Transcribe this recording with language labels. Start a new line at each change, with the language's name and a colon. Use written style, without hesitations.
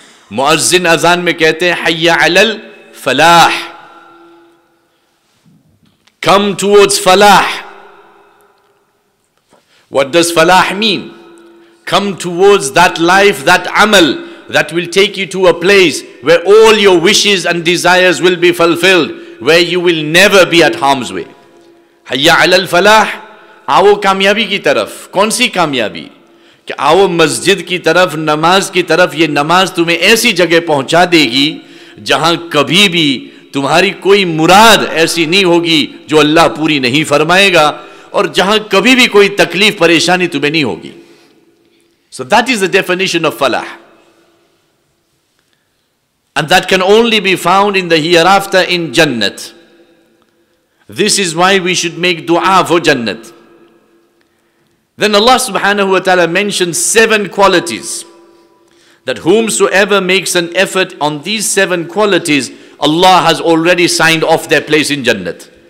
Urdu: Muazzin azan mein kehte hain
Arabic: hayya alal falah,
English: come towards falah. What does falah mean? Come towards that life, that amal that will take you to a place where all your wishes and desires will be fulfilled, where you will never be at harm's way.
Arabic: حَيَّ عَلَى الْفَلَاحِ،
Urdu: آؤ کامیابی کی طرف۔ کون سی کامیابی؟ کہ آؤ مسجد کی طرف، نماز کی طرف۔ یہ نماز تمہیں ایسی جگہ پہنچا دے گی جہاں کبھی بھی تمہاری کوئی مراد ایسی نہیں ہوگی جو اللہ پوری نہیں فرمائے گا، اور جہاں کبھی بھی کوئی تکلیف پریشانی تمہیں نہیں ہوگی۔
English: So that is the definition of falah, and that can only be found in the hereafter in Jannat. This is why we should make dua for Jannat. Then Allah subhanahu wa ta'ala mentions 7 qualities, that whomsoever makes an effort on these 7 qualities, Allah has already signed off their place in Jannat.